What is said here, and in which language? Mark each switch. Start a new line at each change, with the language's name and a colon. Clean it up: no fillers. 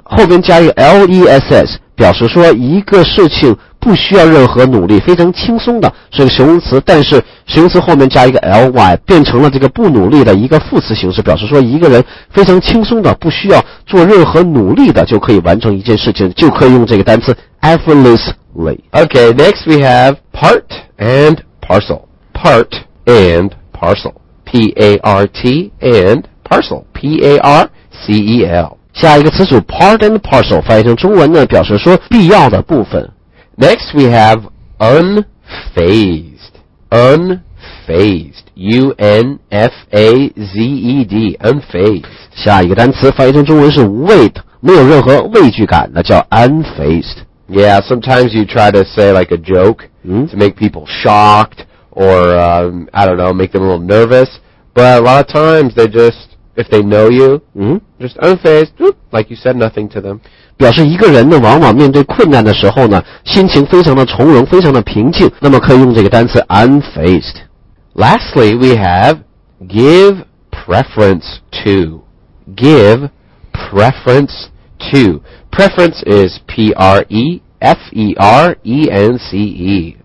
Chinese: 后边加一个 L-E-S-S, 表示说一个事情不需要任何努力，非常轻松的，是个形容词，但是形容词后面加一个 L-Y, 变成了这个不努力的一个副词形式，表示说一个人非常轻松的，不需要做任何努力的就可以完成一件事情，就可以用这个单词 effortlessly.
English: Okay, next we have part and parcel. Part and parcel. P-A-R-T and parcel, P-A-R-C-E-L.
Chinese: 下一个词组
English: part and parcel,
Chinese: 翻译成中文呢表示说必要的部分。
English: Next we have unfazed, unfazed, U-N-F-A-Z-E-D, unfazed.
Chinese: 下一个单词翻译成中文是无畏的，没有任何畏惧感，那叫 unfazed。
English: Yeah, sometimes you try to say like a joke、to make people shocked or,、I don't know, make them a little nervous. But a lot of times they just, if they know you,、just unfazed, like you said nothing to them.
Chinese: 表示一个人呢往往面对困难的时候呢心情非常的从容非常的平静那么可以用这个单词 unfazed.
English: Lastly, we have give preference to. Give preference to. Preference is P-R-E-F-E-R-E-N-C-E.